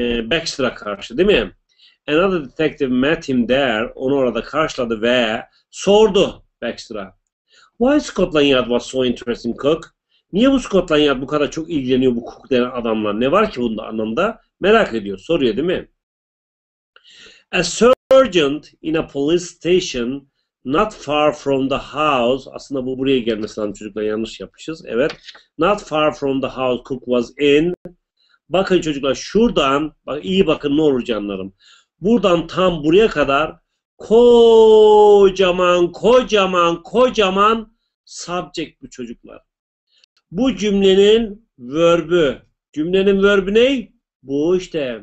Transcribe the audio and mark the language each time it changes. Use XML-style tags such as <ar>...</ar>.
<tr>Baxter'a karşı, değil mi?</tr> <en>Another detective met him there.</en> <tr>Onu orada karşıladı ve sordu Baxter'a.</tr> <en>Why Scotland Yard was so interesting, Cook?</en> <tr>Niye bu Scotland Yard bu kadar çok ilgileniyor bu Cook denen adamla? Ne var ki bunda anlamda? Merak ediyor, soruyor, değil mi?</tr> <en>A sergeant in a police station not far from the house.</en> <tr>Aslında bu buraya gelmesi lazım çocuklar, yanlış yapmışız. Evet.</tr> <en>Not far from the house Cook was in.</en> <tr>Bakın çocuklar şuradan, bak, iyi bakın ne olur canlarım. Buradan tam buraya kadar kocaman, kocaman, kocaman subject bu çocuklar. Bu cümlenin verb'ü. Cümlenin verb'ü ne? Bu işte.</tr>